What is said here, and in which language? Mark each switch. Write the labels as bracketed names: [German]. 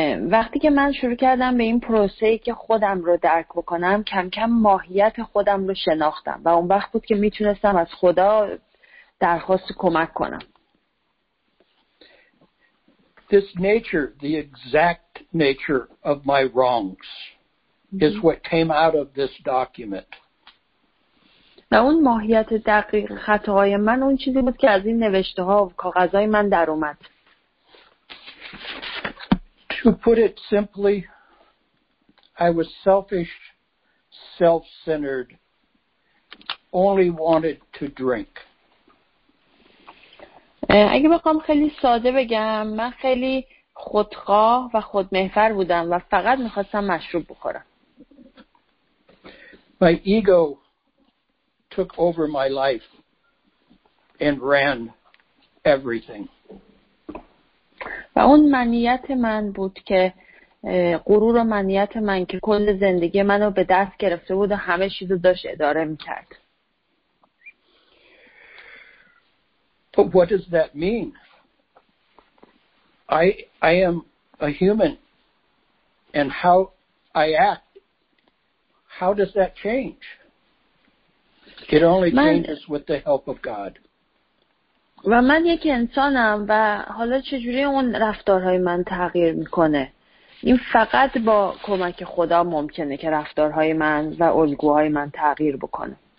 [Persian] وقتی که من شروع کردم به این پروسه‌ای که خودم رو درک بکنم کم کم ماهیت خودم رو شناختم و اون وقت بود که میتونستم از خدا درخواست کمک کنم. [English] This nature, the exact nature of my wrongs is what came out of this document. [Persian] و اون ماهیت دقیق خطاهای من اون چیزی بود که از این نوشته ها و کاغذهای من در اومد. [English] To put it simply, I was selfish, self-centered, only wanted to drink. [Persian] اگه بخوام خیلی ساده بگم من خیلی خودخواه و خودمحور بودم و فقط میخواستم مشروب بخورم. [English] My ego took over my life and ran everything. [Persian] و اون منیت من بود که غرور و منیت من که کل زندگی منو به دست گرفته بود و همه چیزو داشت اداره می‌کرد. [English] But what does that mean? I am a human, and how I act, how does that change? It only changes with the help of God. [Persian] و من یک انسانم و حالا چجوری اون رفتارهای من تغییر میکنه؟ این فقط با کمک خدا ممکنه که رفتارهای من و الگوهای من تغییر بکنه.